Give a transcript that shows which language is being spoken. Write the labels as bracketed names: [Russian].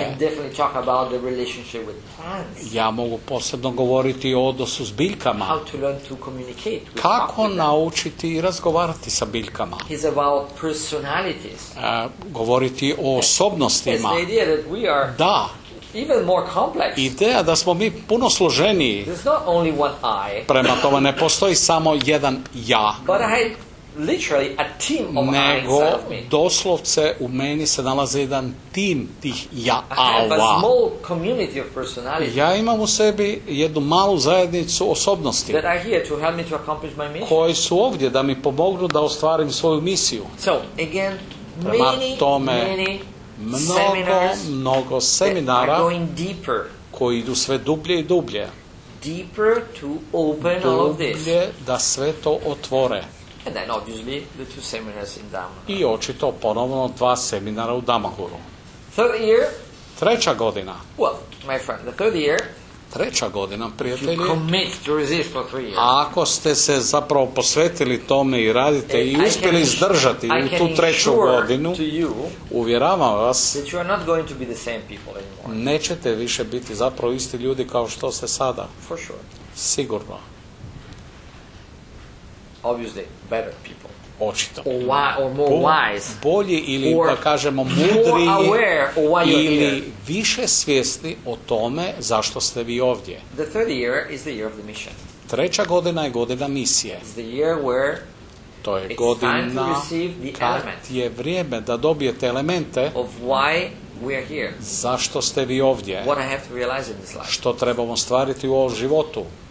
[English] I can definitely talk about the relationship with plants. [Croatian] Ja mogu posebno govoriti o odnosu s biljkama. [English] How to learn to communicate with [Croatian] kako [English] with [Croatian] naučiti i razgovarati sa biljkama. [English] It's about personalities. [Croatian] Govoriti o osobnostima. [English] It's the idea that we are [Croatian] da. [English] Even more complex. [Croatian] Ideja da smo mi puno složeniji. [English] There's not only one I. [Croatian] Prema tome ne postoji samo jedan ja. [English] But I literally a team of I. [Croatian] Nego doslovce u meni se nalazi jedan tim tih ja-ava. [English] I have a small community of personalities. [Croatian] Ja imam u sebi jednu malu zajednicu osobnosti. [English] That are here to help me to accomplish my mission. [Croatian] Koji su ovdje da mi pomognu da ostvarim svoju misiju. [English] So, again, [Croatian] prema [English] many, [Croatian] tome, [English] many [Croatian] mnogo, mnogo seminara koji idu sve dublje i dublje. [English] Deeper to open [Croatian] dublje [English] all of this. [Croatian] Da sve to otvore. [English] And then obviously the two seminars in Damahuru. [Croatian] I očito ponovno dva seminara u Damahuru. [English] Third year. [Croatian] Treća godina. [English] Well, my friend, the third year. [Croatian] Treća godina, prijatelji. [English] You commit to resist for three years. [Croatian] A ako ste se zapravo posvetili tome i radite i uspjeli izdržati u tu treću godinu, uvjeravam vas, [English] that you are not going to be the same people anymore. [Croatian] Nećete više biti zapravo isti ljudi kao što ste sada. [English] For sure. [Croatian] Sigurno. [English] Obviously, better people. [Croatian] Očito. [English] Or more wise. [Croatian] Bolji ili, da kažemo, mudri [English] aware of why [Croatian] ili [English] here. [Croatian] Više svjesni o tome zašto ste vi ovdje. [English] The third year is the year of the mission. [Croatian] Treća godina je godina misije. [English] It's the year where [Croatian] to je godina, kad je vrijeme da dobijete elemente [English] of why we are here. [Croatian] Zašto ste vi ovdje? [English] What I have to realize in this life. [Croatian] Što trebamo stvariti u ovom životu?